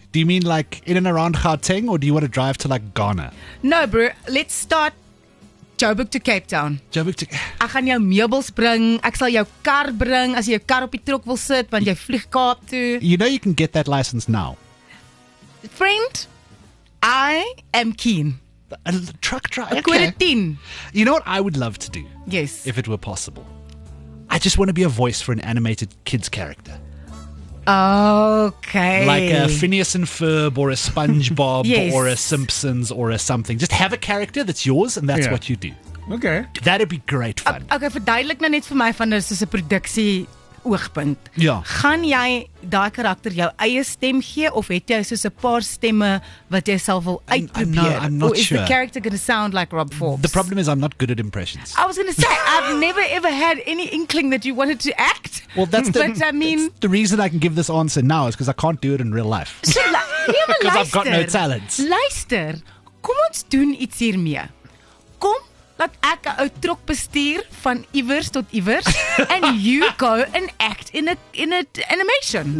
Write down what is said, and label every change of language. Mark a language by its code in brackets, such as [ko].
[en] Do you mean like in and around Gauteng or do you want to drive to like Ghana? No, bro. Let's start Joburg to Cape Town. Joburg to... [af] Ek gaan jou meubels bring. Ek sal jou kar bring as jy jou kar op die trok wil sit, want jy vlieg Kaap toe. [en] You know you can get that license now. Friend, I am keen. A truck driver? Okay. Ten. You know what I would love to do? Yes. If it were possible. I just want to be a voice for an animated kids character. Okay. Like a Phineas and Ferb or a SpongeBob. Yes. Or a Simpsons or a something. Just have a character that's yours and that's, yeah, what you do. Okay. That'd be great fun. [af] Okay, verduidelik nou net vir my van dis 'n produksie oogpunt. Ja. Gaan jy daai karakter jou eie stem gee of het jy soos 'n paar stemme wat jy self wil uitprobeer? [en] No, I'm not sure. Or is the character going to sound like Rob Forbes? The problem is I'm not good at impressions. I was going to say, I've never ever had any inkling that you wanted to act. Well, that's the reason I can give this answer now is because I can't do it in real life. Because I've got no talents. [af] Luister, kom ons doen iets hiermee. Kom, laat ek 'n ou trok bestuur van iewers tot iewers [en] and you go and act in a animation.